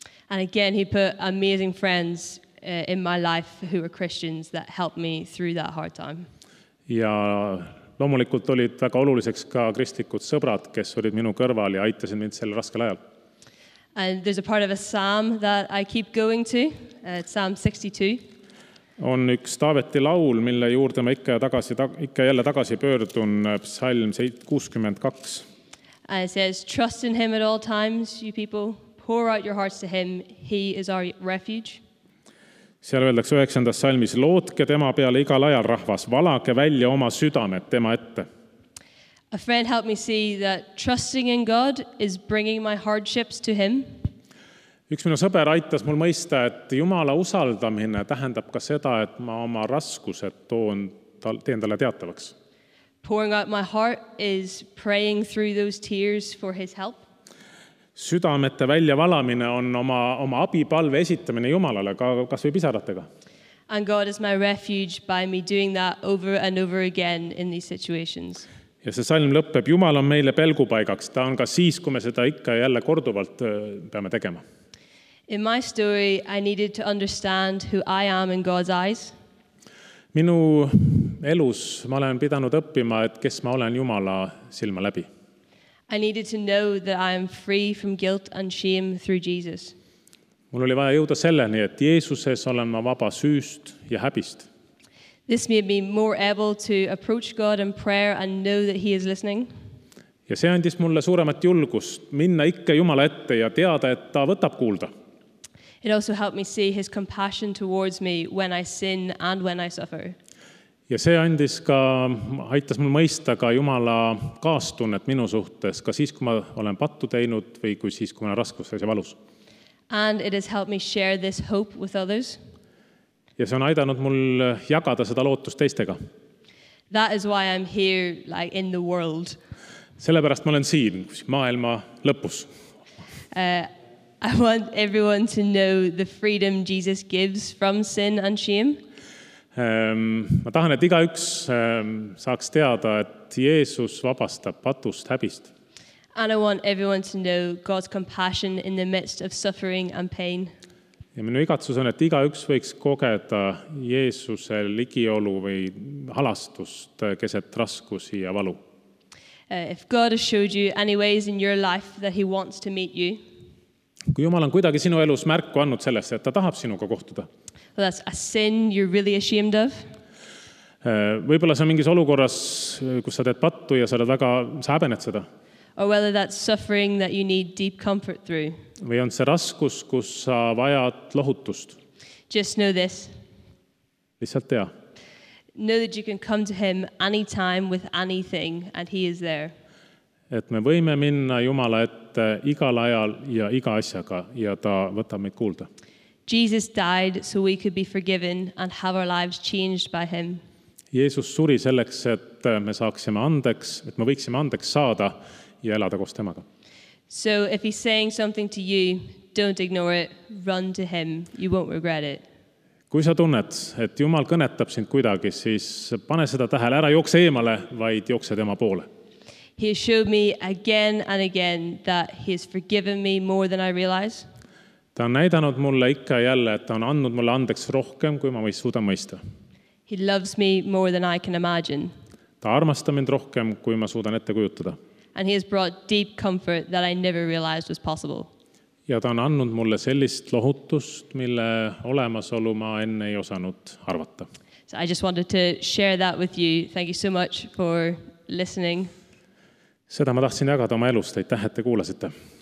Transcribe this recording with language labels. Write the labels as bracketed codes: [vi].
[en] And again, he put amazing friends in my life who were Christians that helped me through that hard time. [et] Ja loomulikult olid väga oluliseks ka kristlikud sõbrad, kes olid minu kõrval ja aitasid mind sel raskel ajal. [en] And there's a part of a psalm that I keep going to, it's Psalm 62. [et] On üks Taaveti laul, mille juurde ma ikka jälle tagasi pöördun, psalm 62. [en] It says, trust in him at all times, you people. Pour out your hearts to him. He is our refuge. [et] Seal öeldakse 9. salmis, lootke tema peale igal ajal rahvas, valage välja oma südamed tema ette. [en] A friend helped me see that trusting in God is bringing my hardships to him. [et] Üks minu sõber aitas mul mõista, et Jumala usaldamine tähendab ka seda, et ma oma raskused teen talle teatavaks. [en] Pouring out my heart is praying through those tears for his help. [et] Südamete välja valamine on oma abipalve esitamine Jumalale, kas või pisaratega. [en] And God is my refuge by me doing that over and over again in these situations. [et] Ja see salm lõpeb, Jumal on meile pelgupaigaks. Ta on ka siis, kui me seda ikka jälle korduvalt peame tegema. [en] In my story, I needed to understand who I am in God's eyes. [et] Minu elus ma olen pidanud õppima, et kes ma olen Jumala silma läbi. [en] I needed to know that I am free from guilt and shame through Jesus. [et] Mul oli vaja jõuda selleni, et Jeesuses olen ma vaba süüst ja häbist. [en] This made me more able to approach God in prayer and know that he is listening. [et] Ja see andis mulle suuremat julgust minna ikka Jumala ette ja teada, et ta võtab kuulda. [en] It also helped me see his compassion towards me when I sin and when I suffer. [et] Ja see aitas mul mõista ka Jumala kaastunnet minu suhtes, ka siis, kui ma olen pattu teinud või kui siis, kui ma olen raskustes ja valus. [en] And it has helped me share this hope with others. [et] Ja see on aidanud mul jagada seda lootust teistega. [en] That is why I'm here, like in the world. [et] Sellepärast ma olen siin, maailma lõpus. [en] I want everyone to know the freedom Jesus gives from sin and shame. [et] Ma tahan, et igaüks saaks teada, et Jeesus vabastab patust häbist. [en] And I want everyone to know God's compassion in the midst of suffering and pain. [et] Ja minu igatsus on, et igaüks võiks kogeda Jeesuse ligiolu või halastust keset raskusi ja valu. [en] if God has showed you any ways in your life that he wants to meet you. [et] Kui Jumal on kuidagi sinu elus märku annud sellesse, et ta tahab sinuga kohtuda. [en] Well, that's a sin you're really ashamed of. [et] Võibolla see on mingis olukorras, kus sa teed pattu ja sa oled väga, sa häbened seda. [en] Or whether that's suffering that you need deep comfort through. [et] Või on see raskus, kus sa vajad lohutust. [en] Just know this. [et] Lihtsalt tea. [en] Know that you can come to him anytime with anything and he is there. [et] Et me võime minna Jumala ette igal ajal ja iga asjaga ja ta võtab meid kuulda. [en] Jesus died so we could be forgiven and have our lives changed by him. [et] Jeesus suri selleks, et me saaksime andeks, et me võiksime andeks saada ja elada koos temaga. [en] So if he's saying something to you, don't ignore it, run to him, you won't regret it. [et] Kui sa tunned, et Jumal kõnetab sind kuidagi, siis pane seda tähele, ära jookse eemale, vaid jookse tema poole. [en] He has showed me again and again that he has forgiven me more than I realize. [et] Ta on näidanud mulle ikka jälle, et ta on andnud mulle andeks rohkem, kui ma võis suuda mõista. [en] He loves me more than I can imagine. [et] Ta armastab mind rohkem, kui ma suudan ette kujutada. [en] And he has brought deep comfort that I never realized was possible. [et] Ja ta on annud mulle sellist lohutust, mille olemasolu ma enne ei osanud arvata. [en] So I just wanted to share that with you. Thank you so much for listening. [et] Seda ma tahtsin jagada oma elust. Aitäh, et te kuulasite.